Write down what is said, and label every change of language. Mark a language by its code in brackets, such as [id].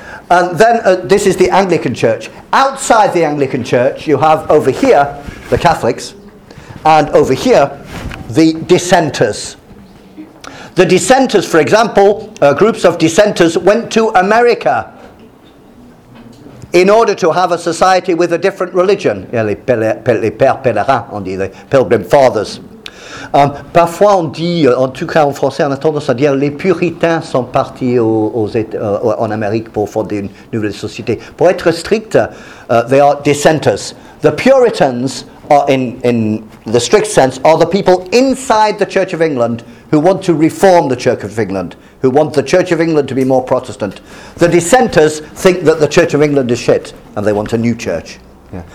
[en] And then this is the Anglican church. Outside the Anglican church, you have over here the Catholics, and over here the dissenters. The dissenters, for example, groups of dissenters went to America in order to have a society with a different religion. [fr] Les pères pèlerins, on dit, [en] the pilgrim fathers. [fr] Parfois on dit, en tout cas en français, on a tendance à dire les puritains sont partis en Amérique pour fonder une nouvelle société. Pour être strict, [en] they are dissenters. The Puritans, are in the strict sense, are the people inside the Church of England who want to reform the Church of England, who want the Church of England to be more Protestant. The dissenters think that the Church of England is shit and they want a new church. Yeah.